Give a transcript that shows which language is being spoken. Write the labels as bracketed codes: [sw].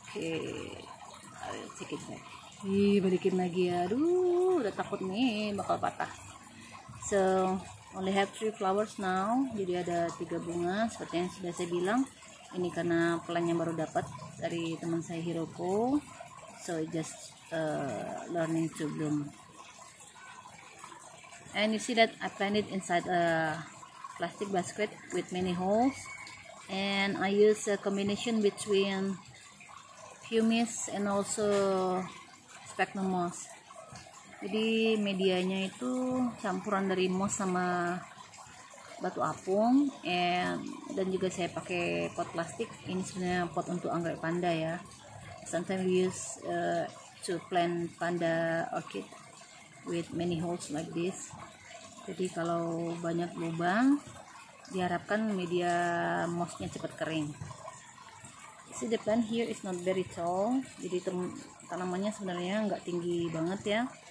[id] Okay, I'll take it back. Ih, balikin lagi ya, aduh udah takut nih bakal patah. So only have 3 flowers now, jadi ada 3 bunga seperti yang sudah saya bilang. Ini karena plan yang baru dapat dari teman saya Hiroko, so just learning to bloom. [en] And you see that I planted inside a plastic basket with many holes, and I use a combination between pumice and also sphagnum moss. [id] Jadi medianya itu campuran dari moss sama batu apung, dan juga saya pakai pot plastik. Ini sebenarnya pot untuk anggrek panda ya. [en] Sometimes we use to plant panda orchid with many holes like this. [id] Jadi kalau banyak lubang, diharapkan media mossnya cepat kering. [en] See, the plant here is not very tall. [id] Jadi tanamannya sebenarnya nggak tinggi banget ya.